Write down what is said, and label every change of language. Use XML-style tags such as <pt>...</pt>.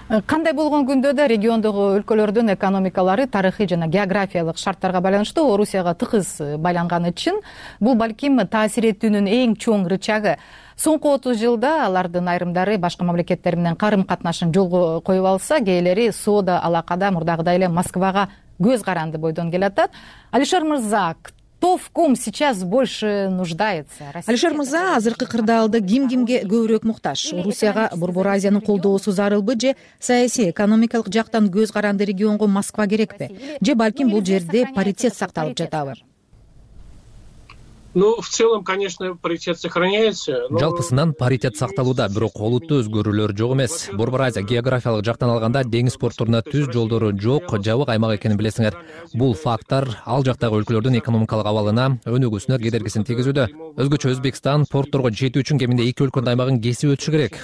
<ky>Кандай болгон күндө да региондогу өлкөлөрдүн экономикалары тарыхый жана географиялык шарттарга байланыштуу Орусияга тыгыз байланганы чын. Бул балким таасир этүүнүн эң чоң рычагы. Соңку 30 жылда алардын айрымдары башка мамлекеттер менен карым катнашын жолго коюп алса, кээлери соода алакада мурдагыдай эле Москвага көз каранды бойдон келатат.</ky> <ru>Алишер Мырза, кто в ком сейчас больше нуждается?</ru> <ky>Алишер Мырза, азыркы кырдаалда ким кимге көбүрөөк муктаж? Орусияга Борбор Азиянын колдоосу зарылбы же саясий экономикалык жактан көз каранды регионго Москва керекпи? Же балким бул жерде паритет сакталып жатабы?</ky> <ru>Ну, в целом, конечно, паритет сохраняется. Но...</ru> <ky>Жалпысынан паритет сакталууда, бирок олуттуу өзгөрүүлөр жок эмес. Борбор Азия географиялык жактан алганда деңиз порттуна түз жолдору жок, жабык аймак экенин билесиңер. Бул фактор ал жактагы өлкөлөрдүн экономикалык абалына, өнүгүүсүнө кедергисин тийгизүүдө. Өзгөчө Өзбекстан портторго жетүү үчүн кеминде 2 өлкөнүн аймагын кесип өтүшү керек.</ky>